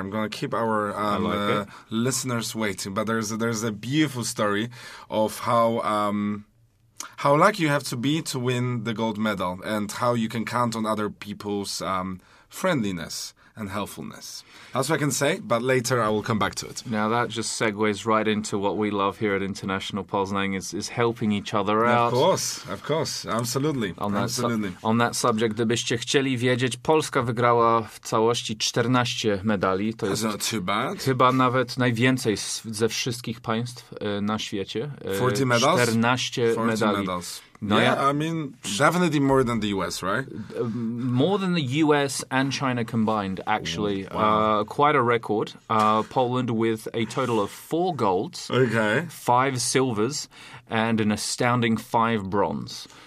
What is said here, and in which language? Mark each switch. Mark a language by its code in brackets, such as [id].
[en] I'm going to keep our listeners waiting. But there's a beautiful story of how lucky you have to be to win the gold medal and how you can count on other people's friendliness and helpfulness. That's what I can say, but later I will come back to it. Now that just segues right into what we love here at International Poznań is helping each other out. Of course, absolutely. On that subject, [pl] gdybyście chcieli wiedzieć, Polska wygrała w całości 14 medali. [en] To that's [pl] jest [en] not too bad. [pl] Chyba nawet najwięcej ze wszystkich państw na świecie. [en] 40 medals? [pl] 14 medali. [en] Medals. No, yeah, I mean, definitely more than the US, right? More than the US and China combined, actually. Wow. Quite a record. Poland with a total of 4 golds, okay, 5 silvers, and an astounding 5 bronze.